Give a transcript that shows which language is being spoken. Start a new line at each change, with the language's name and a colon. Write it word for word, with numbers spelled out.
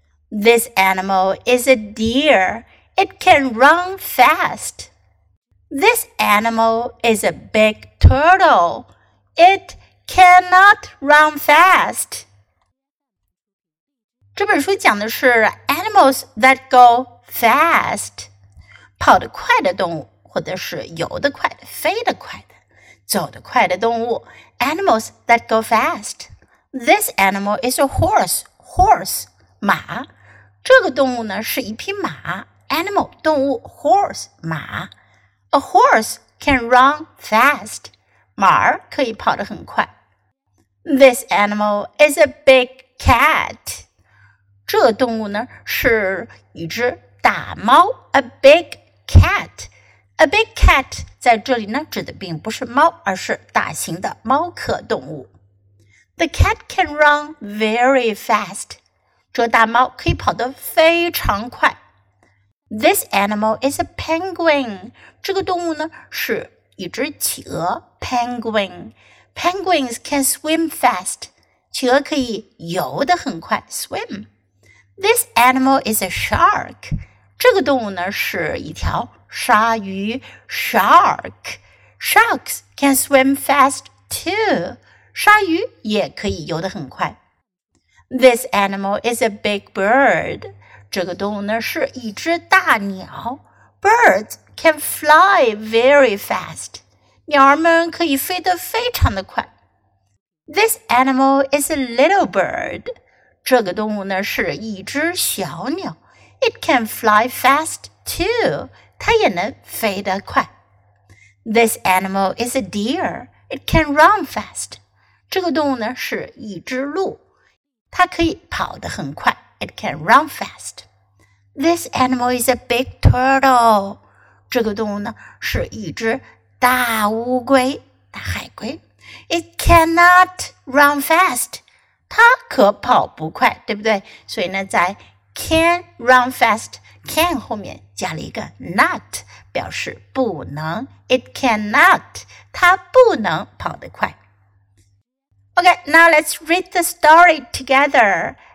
English: This animal is a deer. It can run fast. This animal is a big turtle. It cannot run fast.
Chinese: 这本书讲的是
English: animals that go fast.
Chinese: 跑得快的动物，或者是游得快的、飞得快的、走得快的动物。
English: Animals that go fast. This animal is a horse. Horse. 马。
Chinese: 这个动物呢是一匹马 ,animal, 动物 ,horse, 马。
English: A horse can run fast.
Chinese: 马可以跑得很快。
English: This animal is a big cat.
Chinese: 这个动物呢是一只大猫 ,
English: a big cat.
Chinese: A big cat 在这里呢指的并不是猫，而是大型的猫科动物。
English: The cat can run very fast.
Chinese: 这大猫可以跑得非常快。
English: This animal is a penguin.
Chinese: 这个动物呢是一只企鹅 ,penguin.
English: Penguins can swim fast.
Chinese: 企鹅可以游得很快 ,swim.
English: This animal is a shark.
Chinese: 这个动物呢是一条鲨鱼 ,shark.
English: Sharks can swim fast too.
Chinese: 鲨鱼也可以游得很快。
English: This animal is a big bird.
Chinese: 这个动物呢是一只大鸟。
English: Birds can fly very fast.
Chinese: 鸟儿们可以飞得非常的快。
English: This animal is a little bird.
Chinese: 这个动物呢是一只小鸟。
English: It can fly fast too.
Chinese: 它也能飞得快。
English: This animal is a deer. It can run fast.
Chinese: 这个动物呢是一只鹿。它可以跑得很快
English: It can run fast. This animal is a big turtle.
Chinese: 这个动物呢是一只大乌龟大海龟
English: It cannot run fast.
Chinese: 它可跑不快，对不对？所以呢在 can run fast can 后面加了一个 not 表示不能
English: It cannot.
Chinese: 它不能跑得快。
English: Okay, now let's read the story together.